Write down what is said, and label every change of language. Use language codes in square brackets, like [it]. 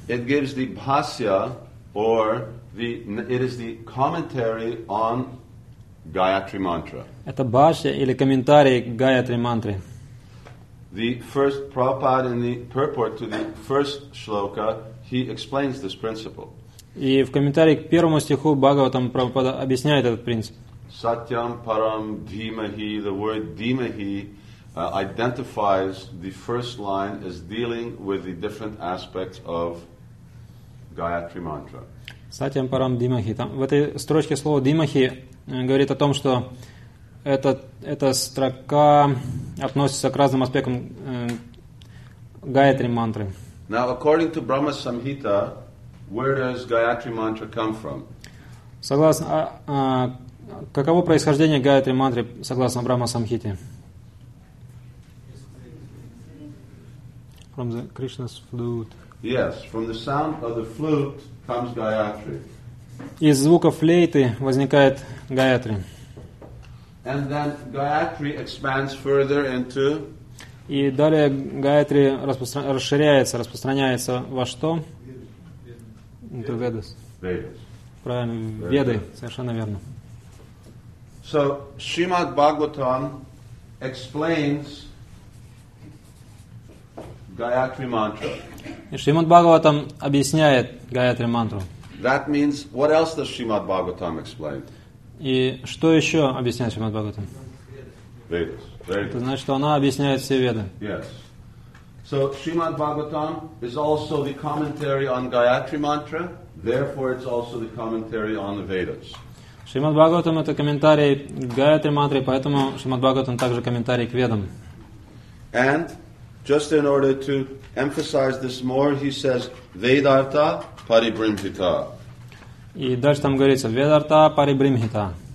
[en] It gives the Bhasya or the it is the commentary on Gayatri Mantra. [ru] Это Bhasya или комментарий к Gayatri Mantra. [en] The first Prabhupada in the purport to the first shloka, he explains this principle. [ru] И в комментарии к первому стиху Бхагаватам Прабхупада объясняет этот принцип. [sa] Satyam Param Dhimahi, [en] the word Dhimahi identifies the first line as dealing with the different aspects of Gayatri Mantra. [sa] Satyam Param Dhimahi. [ru] Там, в этой строчке слово Dhimahi говорит о том, что эта строка относится к разным аспектам Гаятри мантры. [en] Now, according to Brahma Samhita, where does Gayatri Mantra come from? [ru] Согласно, каково происхождение Гаятри мантры согласно Брахма Самхите? [en] From the Krishna's flute. Yes, from the sound of the flute comes Gayatri. [ru] Из звука флейты возникает Гаятри. [en] And then Gayatri expands further into. [ru] И далее Гаятри расширяется, распространяется во что? [en] Into Vedas. Vedas. [ru] Правильно, Веды, совершенно верно. [en] So Srimad Bhagavatam explains Gayatri Mantra. [ru] И Шримад Бхагаватам объясняет Гаятри мантру. [en] That means what else does Srimad Bhagavatam explain? [ru] И что еще объясняет Шримад Бхагаватам? Это значит, что она объясняет все Веды. [en] Yes. So Srimad Bhagavatam is also the commentary on Gayatri Mantra, therefore it's also the commentary on the Vedas. [ru] Шримад Бхагаватам это комментарий к Гаятри Мантре, поэтому Шримад Бхагаватам также комментарий к Ведам. [en] And just in order to emphasize this more, he says Vedarta Paribrimhita. [ru] И дальше там говорится Ведарта Парибримхита.